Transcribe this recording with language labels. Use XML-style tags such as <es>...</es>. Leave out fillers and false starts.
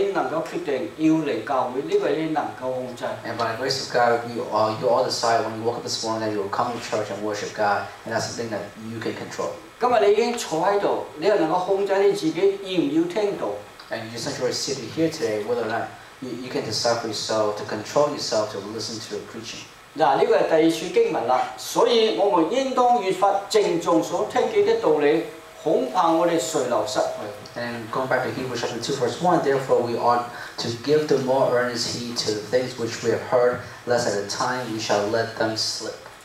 <zh>我们感谢神恩典,今早起床,你能够决定要来教会,这个你能够控制。</zh> <en>And by the grace of God, you all decide when you woke up this morning that you will come to church and worship God, and that's the thing that you can control.</en> <zh>今天你已经坐在这里,你能够控制你自己要不要听到。</zh> <en>And you just enjoy sitting here today, whether or not you can decide for yourself to control yourself to listen to the preaching.</en> <zh>这个是第二处经文,所以我们应当越发正中所听见的道理,恐怕我们垂留失去。</zh> <en>And going back to Hebrews chapter 2 verse 1, therefore we ought to give the more earnest heed to the things which we have heard, lest at a time we shall let them slip.</en>